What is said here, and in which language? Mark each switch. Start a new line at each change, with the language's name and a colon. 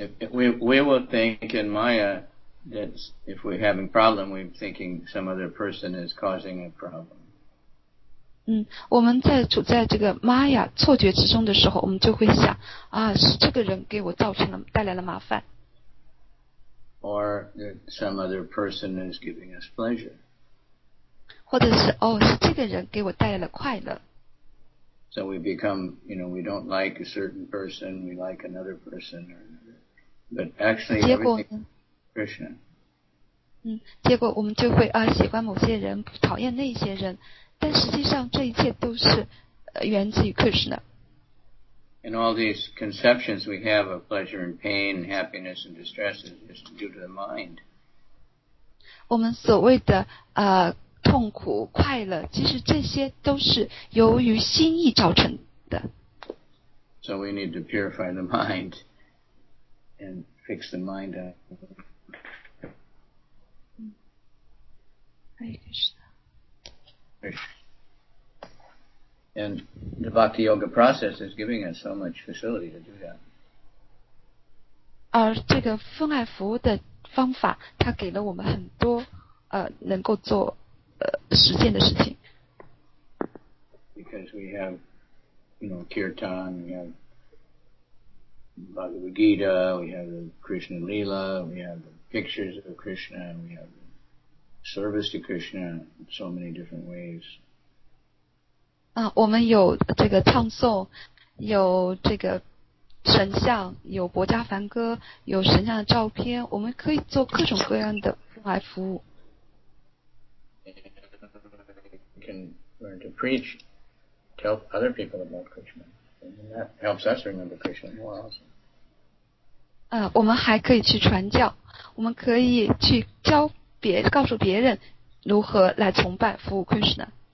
English: We will think in Maya that if we're having problem, we're thinking some other person is causing a problem.
Chinese: 我们在处在这个玛雅错觉之中的时候，我们就会想啊，是这个人给我造成了带来了麻烦。
English: Or some other person is giving us pleasure.
Chinese: 或者是哦，是这个人给我带来了快乐。
English: So we become, you know, we don't like a certain person, we like another person, or but actually,
Chinese: 结果呢？Krishna. 结果我们就会啊，喜欢某些人，不讨厌那些人。但实际上这一切都是源自于 Krishna。
English: And all these conceptions we have of pleasure and pain, happiness and distress is just due to the mind.
Chinese: 我们所谓的痛苦快乐，其实这些都是由于心意造成的。
English: So we need to purify the mind and fix the mind up.
Chinese: 哎，就是
English: And the Bhakti Yoga process is giving us so much facility to do that.
Chinese: 而这个分爱服务的方法，它给了我们很多能够做实践的事情。
English: Because we have, you know, Kirtan, we have Bhagavad Gita, we have the Krishna Leela, we have the pictures of Krishna, and we have service to Krishna in so many different ways.
Chinese: 我们有这个唱诵，有这个神像，有薄伽梵歌，有神像的照片，我们可以做各种各样的关怀服务。
English: We can learn to preach, tell other people about Krishna, and that helps us remember Krishna more also.
Chinese: 我们还可以去传教，我们可以去教告诉别人如何来崇拜服务 Krishna。